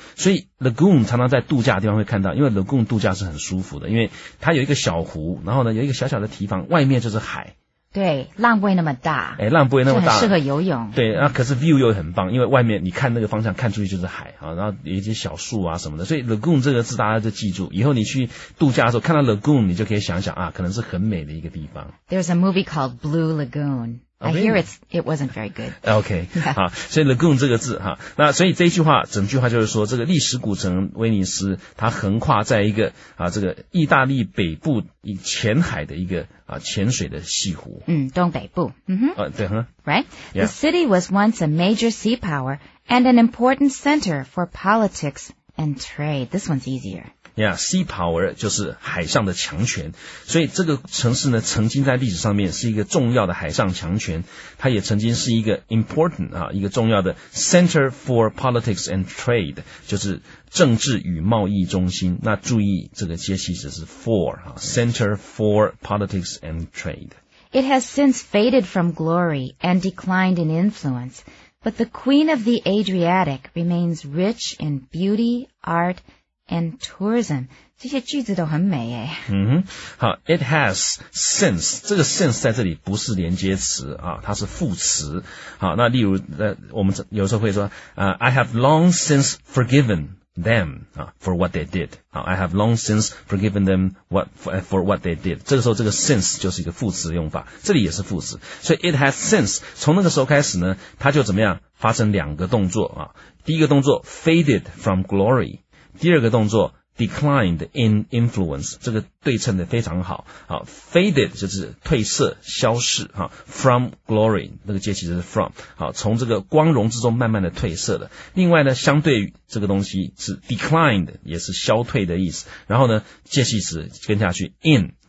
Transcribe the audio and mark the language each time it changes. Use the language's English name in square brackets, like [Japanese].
[Chinese] 所以 lagoon 常常在度假的地方会看到，因为 lagoon 度假是很舒服的，因为它有一个小湖，然后呢有一个小小的堤防，外面就是海。对，浪不会那么大。哎，浪不会那么大，很适合游泳。对，那、啊、可是 view 又很棒，因为外面你看那个方向看出去就是海啊，然后有一些小树啊什么的，所以 lagoon 这个字大家就记住，以后你去度假的时候看到 lagoon， 你就可以想想啊，可能是很美的一个地方。 [English] There's a movie called Blue Lagoon. I hear it wasn't very good. Okay,、yeah. [Chinese] 好，所以 lagoon 这个字哈，那所以这句话整句话就是说，这个历史古城威尼斯，它横跨在一个啊这个意大利北部以浅海的一个啊浅水的西湖。嗯，东北部。嗯哼。对哼。 [English] Right,、yeah. The city was once a major sea power and an important center for politics and trade. This one's easier. [Chinese] Yeah, sea power 就是海上的强权，所以这个城市呢，曾经在历史上面是一个重要的海上强权，它也曾经是一个 important 啊，一个重要的 center for politics and trade，就是政治与贸易中心。那注意这个介系词是 for 啊 ，center for politics and trade。 [English] It has since faded from glory and declined in influence, but the Queen of the Adriatic remains rich in beauty, art. [Chinese] And tourism, 这些句子都很美耶。嗯哼，好 ，It has since 这个 since 在这里不是连接词啊，它是副词。好，那例如我们有时候会说 I have long since forgiven them 啊 for what they did 啊 ， I have long since forgiven them for what they did。这个时候这个 since 就是一个副词用法，这里也是副词，所以 It has since 从那个时候开始呢，它就怎么样发生两个动作啊？第一个动作 faded from glory。第二个动作 declined in influence， 这个对称的非常好。好 ，faded 就是褪色、消逝。哈 ，from glory 那个介系词是 from， 好，从这个光荣之中慢慢的褪色的。另外呢，相对于这个东西是 declined， 也是消退的意思。然后呢，介系词跟下去 in，